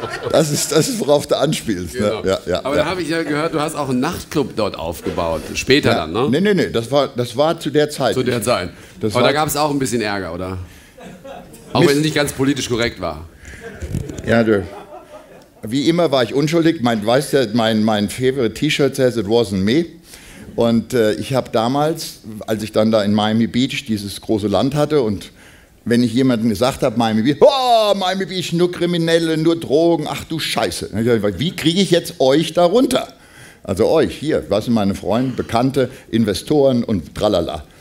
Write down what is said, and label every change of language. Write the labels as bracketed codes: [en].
[de] Das ist, worauf du anspielst. Genau. Ne? Ja. Aber da habe ich ja gehört, du hast auch einen Nachtclub dort aufgebaut, später dann, ne? Nee, das war zu der Zeit. Zu der Zeit. Aber da gab es auch ein bisschen Ärger, oder? Auch wenn es nicht ganz politisch korrekt war. Ja, du. Wie immer war ich unschuldig. Mein [en] favorite T-Shirt says it wasn't me. [de] Und ich habe damals, als ich dann da in Miami Beach dieses große Land hatte und wenn ich jemandem gesagt habe, Miami Beach, oh, Miami Beach, nur Kriminelle, nur Drogen, ach du Scheiße. Wie kriege ich jetzt euch da runter? Also euch, hier, was sind meine Freunde, Bekannte, Investoren und tralala.